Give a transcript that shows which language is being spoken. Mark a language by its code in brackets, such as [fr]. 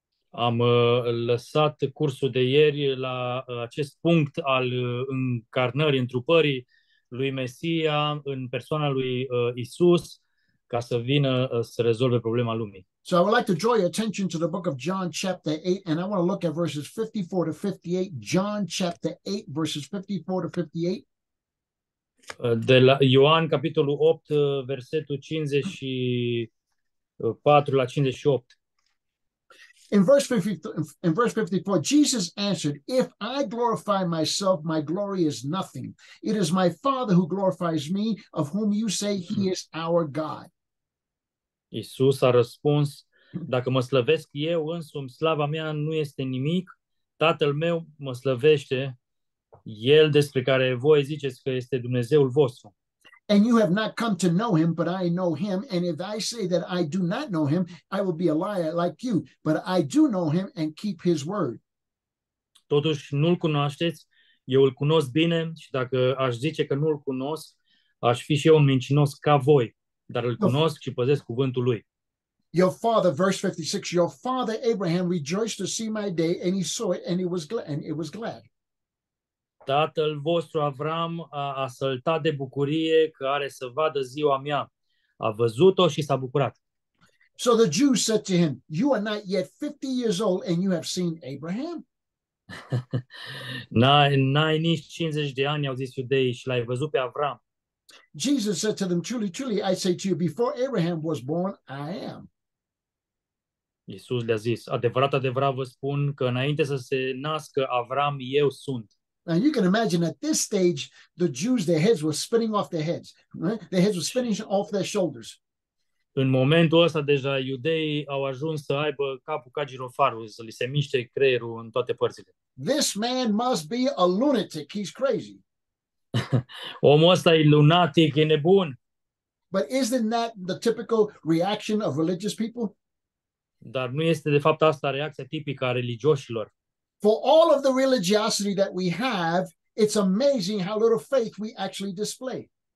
[ro] Am lăsat cursul de ieri la acest punct al încarnării, întrupării lui Mesia în persoana lui Isus, ca să vină să rezolve problema lumii. [en] So I would like to draw your attention to the book of John chapter 8, and I want to look at verses 54 to 58. John chapter 8, verses 54 to 58. [ro] De la Ioan, capitolul 8, versetul 54 la 58. [en] In verse 54, Jesus answered, "If I glorify myself, my glory is nothing. It is my Father who glorifies me, of whom you say he is our God." [ro] Isus a răspuns, "Dacă mă slăvesc eu însumi, slava mea nu este nimic. Tatăl meu mă slăvește, el despre care voi ziceți că este Dumnezeul vostru." [en] And you have not come to know him, but I know him. And if I say that I do not know him, I will be a liar like you. But I do know him and keep his word. [ro] Totuși nu-l cunoașteți, eu îl cunosc bine și dacă aș zice că nu-l cunosc, aș fi și eu un mincinos ca voi, dar îl cunosc și păzesc cuvântul lui. [en] Your father, verse 56, your father Abraham rejoiced to see my day, and he saw it, and he was glad, and it was glad. [ro] Tatăl vostru Avram a săltat de bucurie că are să vadă ziua mea. A văzut-o și s-a bucurat. [en] So the Jews said to him, you are not yet 50 years old and you have seen Abraham? [ro] N-ai nici 50 de ani, au zis iudeii, și l-ai văzut pe Avram. [en] Jesus said to them, truly, truly, I say to you, before Abraham was born, I am. [ro] Iisus le-a zis, adevărat, adevărat vă spun că înainte să se nască Avram, eu sunt. [en] Now you can imagine at this stage, the Jews, their heads were spinning off their heads. Right? Their heads were spinning off their shoulders. [ro] În momentul ăsta deja iudeii au ajuns să aibă capul ca girofarul, să li se miște creierul în toate părțile. [en] This man must be a lunatic. He's crazy. [ro] Omul ăsta e lunatic, e nebun. [en] But isn't that the typical reaction of religious people? [ro] Dar nu este de fapt asta reacția tipică a religioșilor. [en] For all of the religiosity that we have, it's amazing how little faith we actually display.